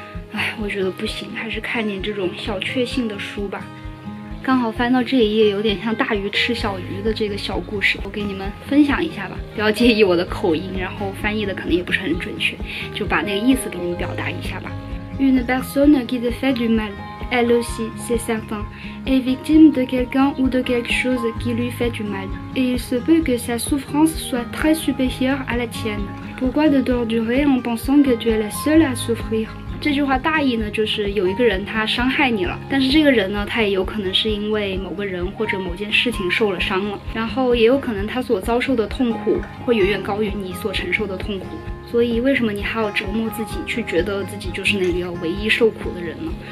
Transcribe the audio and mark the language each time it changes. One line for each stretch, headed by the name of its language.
Chinese: 哎，我觉得不行，还是看点这种小确幸的书吧。刚好翻到这一页，有点像大鱼吃小鱼的这个小故事，我给你们分享一下吧，不要介意我的口音，然后翻译的可能也不是很准确，就把那个意思给你们表达一下吧。
French: Une personne qui te fait du mal, elle aussi, c'est certain, est victime de quelqu'un ou de quelque chose qui lui fait du mal. Et il se peut que sa souffrance soit très supérieure à la tienne. Pourquoi de t'ordurer en pensant que tu es la seule à souffrir ?
Chinese: 这句话大意呢，就是有一个人他伤害你了，但是这个人呢，他也有可能是因为某个人或者某件事情受了伤了，然后也有可能他所遭受的痛苦会远远高于你所承受的痛苦。所以为什么你还要折磨自己，去觉得自己就是那个要唯一受苦的人呢？